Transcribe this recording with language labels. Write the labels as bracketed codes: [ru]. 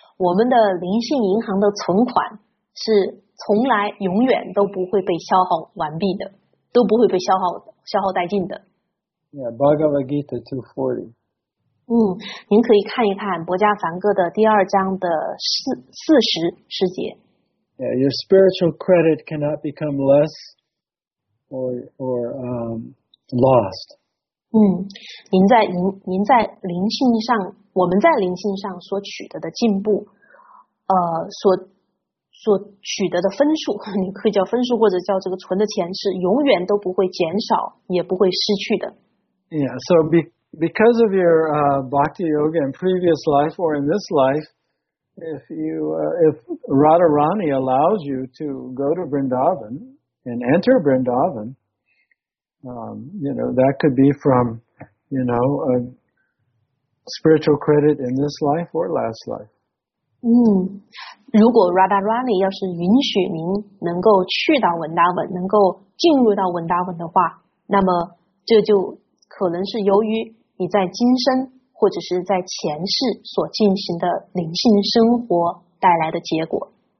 [zh] 我们的灵性银行的存款是从来永远都不会被消耗完毕的，都不会被消耗殆尽的。 [en] Yeah, Bhagavad Gita 240. [zh] 您可以看一看《薄伽梵歌》的第二章的四十节。 [en] Yeah, your spiritual credit cannot become less or lost. [zh] 您在灵性上。我们在灵性上所取得的进步，所取得的分数，你可以叫分数或者叫这个存的钱，是永远都不会减少，也不会失去的。 [en] Yeah, so because of your bhakti yoga in previous life or in this life, if Radharani allows you to go to Vrindavan and enter Vrindavan, you know that could be from, you know, a spiritual credit in this life or last life. [zh] 如果 Radharani 要是允许您能够去到文达文，能够进入到文达文的话，那么这就可能是由于你在今生或者是在前世所进行的灵性生活带来的结果。